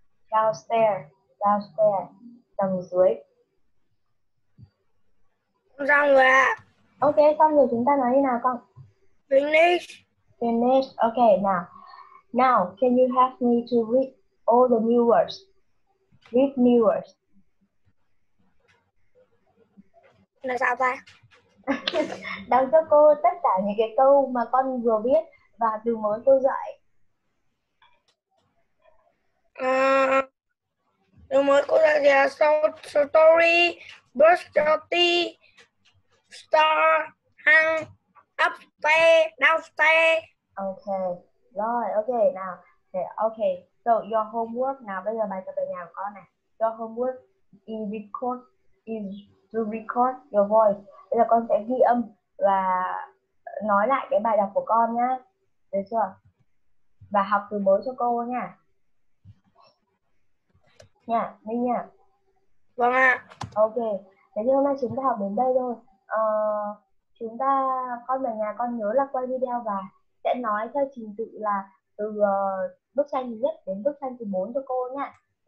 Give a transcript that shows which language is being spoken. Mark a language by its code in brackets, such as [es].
[en] Downstairs, downstairs, [vi] tầng dưới. Xong rồi ạ. Ok, xong rồi chúng ta nói như nào con? [en] Finish. Finish, ok, nào. Now, can you help me to read all the new words? Read new words. [vi] Là sao ta? Đọc cho cô tất cả những cái câu mà con vừa viết và từ mới cô dạy. Nếu mới có ra là [en] story, brush your teeth, star, hang, upstairs, downstairs. [vi] Ok, rồi, ok, nào, ok, [en] so your homework, [vi] nào bây giờ bài tập ở nhà của con này. [en] Your homework is record, is to record your voice. [vi] Bây giờ con sẽ ghi âm và nói lại cái bài đọc của con nhá, được chưa? Và học từ mới cho cô nha. Nha, Minh nha. Vâng ạ. Ok, thế thì hôm nay chúng ta học đến đây thôi. Chúng ta, con ở nhà con nhớ là quay video và sẽ nói theo trình tự là từ bức tranh nhất đến bức tranh thứ 4 cho cô nha.